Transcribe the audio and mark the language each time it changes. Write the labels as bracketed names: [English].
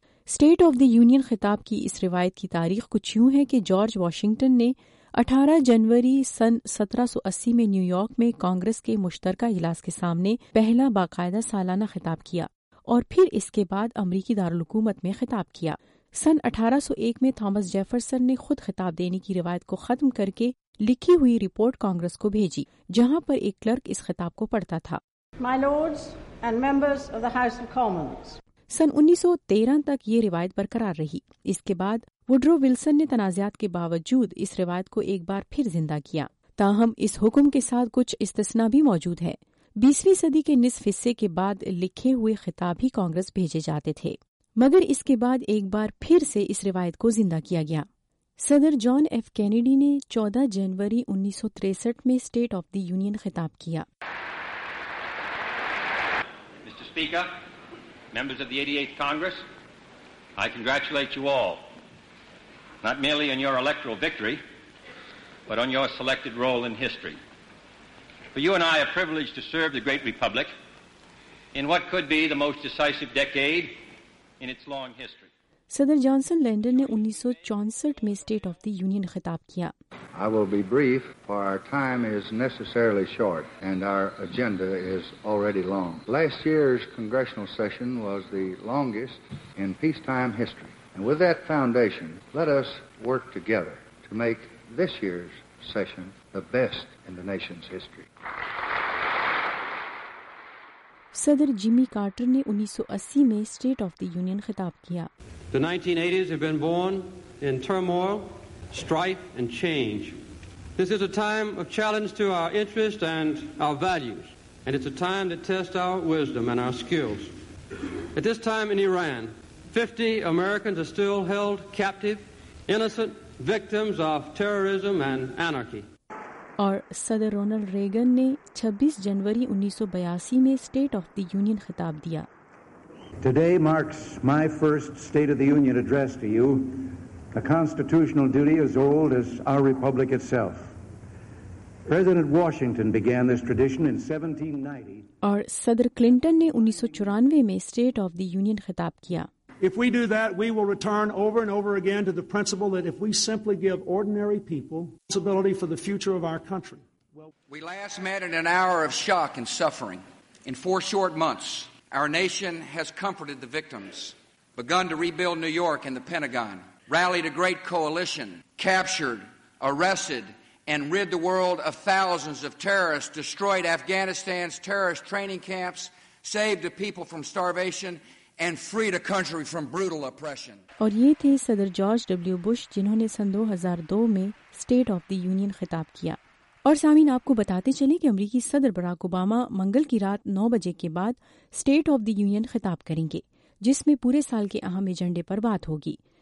[Urdu] State of the union خطاب کی اس روایت کی تاریخ کچھ یوں ہے کہ جارج واشنگٹن نے 18 جنوری 1780 میں نیو یارک میں کانگریس کے مشترکہ اجلاس کے سامنے پہلا باقاعدہ سالانہ خطاب کیا اور پھر اس کے بعد امریکی دارالحکومت میں خطاب کیا. سن 1801 میں تھامس جیفرسن نے خود خطاب دینے کی روایت کو ختم کر کے لکھی ہوئی رپورٹ کانگریس کو بھیجی, جہاں پر ایک کلرک اس خطاب کو پڑھتا تھا. [English] My lords and members of the House of Commons. [Urdu] سن 1913 تک یہ روایت برقرار رہی. اس کے بعد وڈرو ولسن نے تنازعات کے باوجود اس روایت کو ایک بار پھر زندہ کیا. تاہم اس حکم کے ساتھ کچھ استثنا بھی موجود ہے. 20ویں صدی کے نصف حصے کے بعد لکھے ہوئے خطاب ہی کانگریس بھیجے جاتے تھے، مگر اس کے بعد ایک بار پھر سے اس روایت کو زندہ کیا گیا. صدر جان ایف کینیڈی نے 14 جنوری 1963 میں اسٹیٹ آف دی یونین خطاب کیا. [English] Mister speaker, members of the 88th Congress, I congratulate you all not merely on your electoral victory but on your selected role in history. For you and I have privilege to serve the great republic in what could be the most decisive decade in its long history. [Urdu] صدر Johnson لینڈن نے 1964 میں state of the union خطاب کیا. [English] I will be brief, for our time is necessarily short and our agenda is already long. Last year's congressional session was the longest in peacetime history. And with that foundation, let us work together to make this year's session the best in the nation's history. [Urdu] صدر Jamie Carter نے 1980 میں state of the union خطاب کیا. [English] The 1980s have been born in turmoil, strife and change. This is a time of challenge to our interests and our values, and it's a time to test our wisdom and our skills. At this time in Iran, 50 Americans are still held captive, innocent victims of terrorism and anarchy. [Urdu] اور صدر Ronald Reagan نے 26 جنوری 1982 میں state of the union خطاب دیا. [English] Today marks my first State of the Union address to you, a constitutional duty as old as our republic itself. President Washington began this tradition in 1790. [Urdu] اور صدر Clinton نے 1994 میں state of the union خطاب کیا. [English] If we do that, we will return over and over again to the principle that if we simply give ordinary people responsibility for the future of our country. Well, we last met in an hour of shock and suffering. In 4 short months, our nation has comforted the victims, begun to rebuild New York and the Pentagon, rallied a great coalition, captured, arrested, and rid the world of thousands of terrorists, destroyed Afghanistan's terrorist training camps, saved the people from starvation, and freed a country from brutal oppression. [Urdu] اور یہ تھے صدر George W Bush, جنہوں نے سن 2002 میں state of the union خطاب کیا. اور سامعین، آپ کو بتاتے چلیں کہ امریکی صدر براک اوباما منگل کی رات 9 بجے کے بعد اسٹیٹ آف دی یونین خطاب کریں گے، جس میں پورے سال کے اہم ایجنڈے پر بات ہوگی.